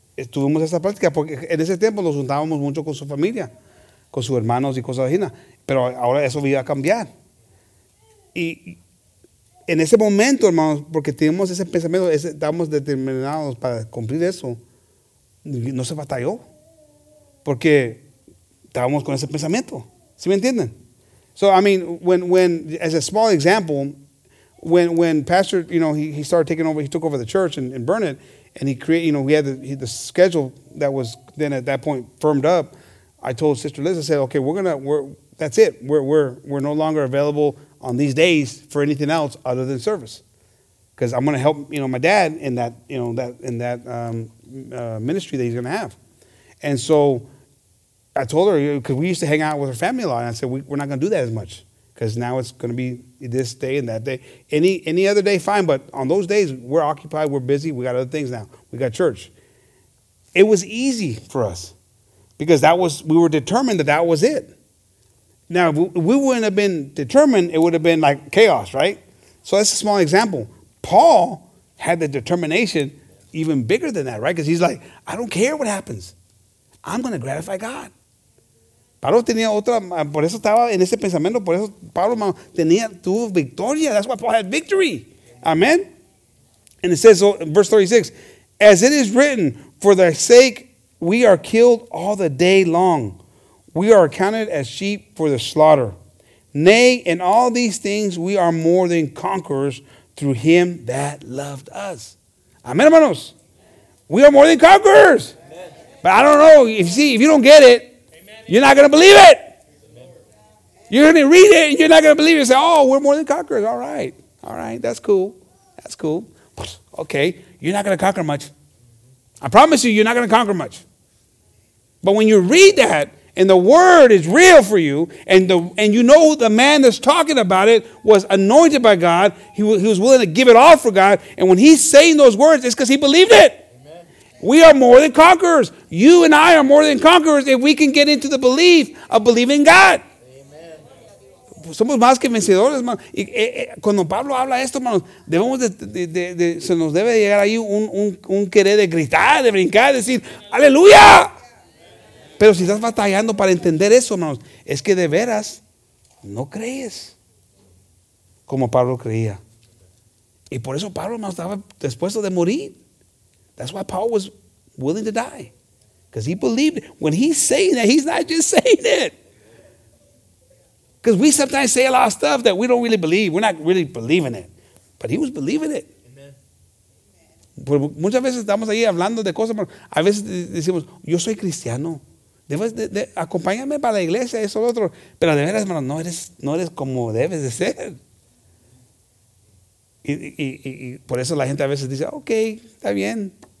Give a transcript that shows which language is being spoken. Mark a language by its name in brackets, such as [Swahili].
[Spanish] Tuvimos esa práctica, porque en ese tiempo nos juntábamos mucho con su familia, con sus hermanos y cosas así. Pero ahora eso iba a cambiar. Y en ese momento, hermanos, porque teníamos ese pensamiento, estábamos determinados para cumplir eso, no se batalló. Porque estábamos con ese pensamiento. ¿Sí me entienden? [English] So, I mean, when as a small example, when Pastor, you know, he started taking over, he took over the church in Burnet, and he created, you know, we had the schedule that was then at that point firmed up. I told Sister Liz, I said, okay, that's it. We're no longer available on these days for anything else other than service. because I'm going to help, you know, my dad in that, you know, that in that ministry that he's going to have. And so I told her, because we used to hang out with her family a lot, and I said, we're not going to do that as much, because now it's going to be this day and that day. Any other day, fine, but on those days, we're occupied, we're busy, we got other things now. We got church. It was easy for us, because that was, we were determined that that was it. Now, if we wouldn't have been determined, it would have been like chaos, right? So that's a small example. Paul had the determination even bigger than that, right? Because he's like, I don't care what happens. I'm going to gratify God. [Spanish] Pablo tenía otra, por eso estaba en ese pensamiento, por eso Pablo tenía tu victoria. [English] That's why Paul had victory. Amen? And it says, so in verse 36, as it is written, for thy sake we are killed all the day long. We are accounted as sheep for the slaughter. Nay, in all these things we are more than conquerors through him that loved us. Amen, hermanos. We are more than conquerors. Amen. But I don't know. If you don't get it, amen, you're not going to believe it. Amen. You're going to read it and you're not going to believe it. Say, oh, we're more than conquerors. All right. All right. That's cool. That's cool. Okay. You're not going to conquer much. I promise you, you're not going to conquer much. But when you read that, and the word is real for you, and you know the man that's talking about it was anointed by God. He was willing to give it all for God. And when he's saying those words, it's because he believed it. Amen. We are more than conquerors. You and I are more than conquerors if we can get into the belief of believing God. [Spanish] Amen. Somos más que vencedores, hermano. Cuando Pablo habla esto, hermano, debemos de se nos debe llegar ahí un querer de gritar, de brincar, decir, ¡Aleluya! Pero si estás batallando para entender eso, hermanos, es que de veras no crees como Pablo creía. Y por eso Pablo, hermanos, estaba dispuesto de morir. [English] That's why Paul was willing to die. Because he believed it. When he's saying that, he's not just saying it. Because we sometimes say a lot of stuff that we don't really believe. We're not really believing it. But he was believing it. Amen. [Spanish] Muchas veces estamos ahí hablando de cosas, pero a veces decimos, yo soy cristiano. De, acompáñame para la iglesia, eso lo otro. Pero de veras, hermano, no eres como debes de ser. Y por eso la gente a veces dice, ok, está bien.